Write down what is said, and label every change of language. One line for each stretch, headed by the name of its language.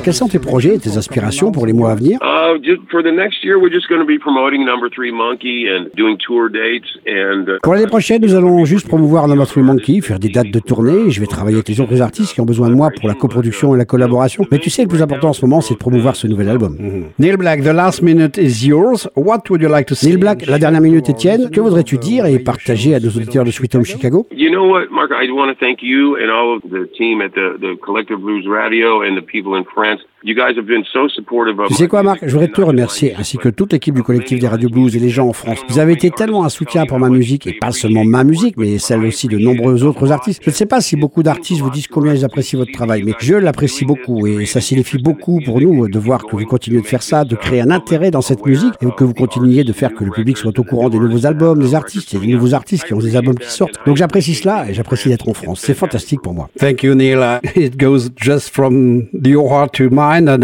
French: Quels sont tes projets et tes aspirations pour les mois à venir?
English: For the next year, we're just going to be promoting Number 3 Monkey and doing tour dates.
French: Pour l'année prochaine, nous allons juste promouvoir Number 3 Monkey, faire des dates de tournée. Je vais travailler avec les autres artistes qui ont besoin de moi pour la coproduction et la collaboration. Mais tu sais, le plus important en ce moment, c'est de promouvoir ce nouvel album.
English: Mm-hmm. Neil Black, the last minute is yours. What would you like to say?
French: Neil Black, la dernière minute est tienne. Que voudrais-tu dire et partager à nos auditeurs de Sweet Home Chicago?
English: You know what, Mark? I want to thank you and all of the team at the Collective Blues Radio and the people in France. You guys have been so supportive of
French: tu sais quoi, Marc? Je voudrais te remercier, ainsi que toute l'équipe du collectif des Radio Blues et les gens en France. Vous avez été tellement un soutien pour ma musique, et pas seulement ma musique, mais celle aussi de nombreux autres artistes. Je ne sais pas si beaucoup d'artistes vous disent combien ils apprécient votre travail, mais je l'apprécie beaucoup, et ça signifie beaucoup pour nous de voir que vous continuez de faire ça, de créer un intérêt dans cette musique, et que vous continuez de faire que le public soit au courant des nouveaux albums, des artistes, et des nouveaux artistes qui ont des albums qui sortent. Donc j'apprécie cela, et j'apprécie d'être en France. C'est fantastique pour moi.
English: Thank you, Neil. It goes just from your heart to mine.